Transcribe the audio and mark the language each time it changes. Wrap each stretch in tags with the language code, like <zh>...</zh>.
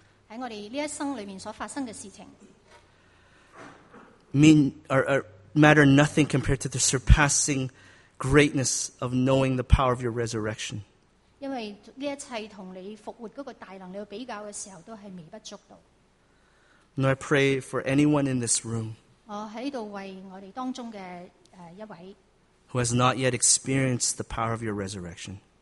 <zh>在我们这一生里面所发生的事情，</zh> <en>matter nothing compared to the surpassing greatness of knowing the power of your resurrection.</en> <zh>因为这一切和你复活的大能力比较的时候都是微不足道。</zh> <en>And I pray for anyone in this room who has not yet experienced the power of your resurrection.</en>